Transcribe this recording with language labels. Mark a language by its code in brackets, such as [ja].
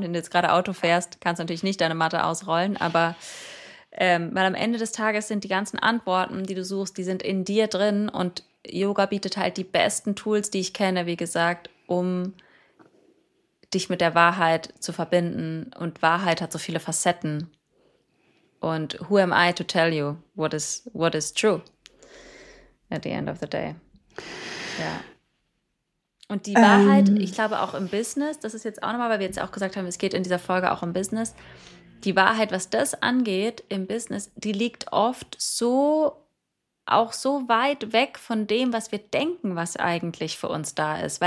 [de] Wenn du jetzt gerade Auto fährst, kannst du natürlich nicht deine Matte ausrollen, aber weil am Ende des Tages sind die ganzen Antworten, die du suchst, die sind in dir drin und Yoga bietet halt die besten Tools, die ich kenne, wie gesagt, um dich mit der Wahrheit zu verbinden. Und Wahrheit hat so viele Facetten. [en] Und who am I to tell you what is true at the end of the day? [de] Ja. Und die Wahrheit, ich glaube auch im Business, das ist jetzt auch nochmal, weil wir jetzt auch gesagt haben, es geht in dieser Folge auch um Business. Die Wahrheit, was das angeht im Business, die liegt oft so, auch so weit weg von dem, was wir denken, was eigentlich für uns da ist.